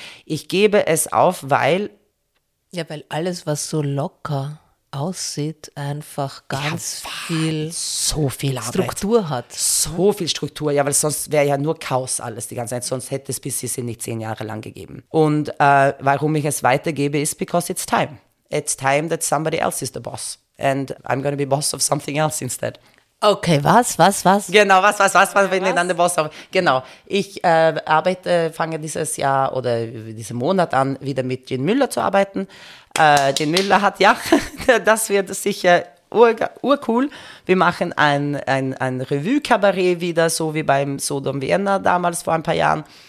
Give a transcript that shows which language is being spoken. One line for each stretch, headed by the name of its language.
German: Ich gebe es auf, weil... Ja, weil alles, was so locker aussieht, einfach ganz viel Arbeit. Struktur hat. So viel Struktur, ja, weil sonst wäre ja nur Chaos alles die ganze Zeit. Sonst hätte es PCCC nicht 10 Jahre lang gegeben. Und warum ich es weitergebe, ist, because it's time.
English: It's time that somebody else is the boss. And I'm going to be boss of something else instead.
German: Okay, was? Genau, was? Bin ich dann der Boss? Genau, ich fange dieses Jahr oder diesen Monat an, wieder mit Jean Müller zu arbeiten. Jean Müller hat, ja, das wird sicher urcool. Wir machen ein Revue-Kabarett wieder, so wie beim Sodom Vienna damals vor ein paar Jahren.